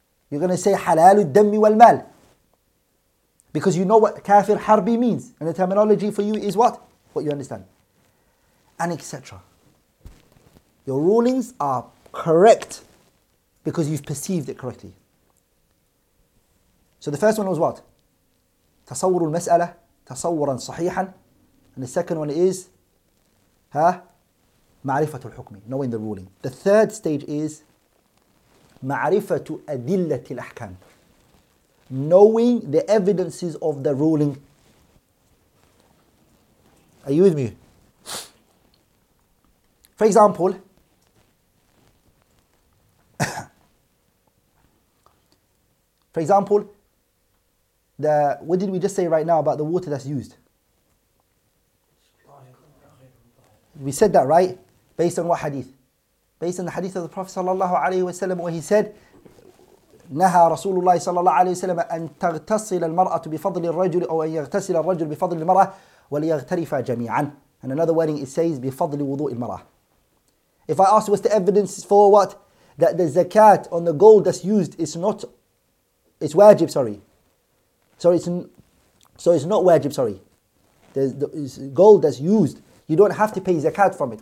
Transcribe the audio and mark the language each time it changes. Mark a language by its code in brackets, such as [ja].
[en] You're going to say halal al-dammi wal-mal. Because you know what kafir harbi means. And the terminology for you is what? What you understand. And etc. Your rulings are correct because you've perceived it correctly. So the first one was what? [ar] تصور المسألة تصورا صحيحا. [en] And the second one is [ar] معرفة الحكم, [en] knowing the ruling. The third stage is [ar] معرفة أدلة الأحكام, [en] knowing the evidences of the ruling. Are you with me? For example, what did we just say right now about the water that's used? We said that, right? Based on what hadith? Based on the hadith of the Prophet sallallahu alayhi wa sallam, where he said, [ar] نهى رسول الله صلى الله عليه وسلم أن تغتسل المرأة بفضل الرجل أو أن يغتسل الرجل بفضل المرأة وليغترف جميعا. [en] And another wording, it says [ar] بفضل وضوء المرأة. [en] If I ask, what's the evidence for what? That the zakat on the gold that's used is not, it's wajib, sorry. So it's not wajib. The gold that's used, you don't have to pay zakat from it.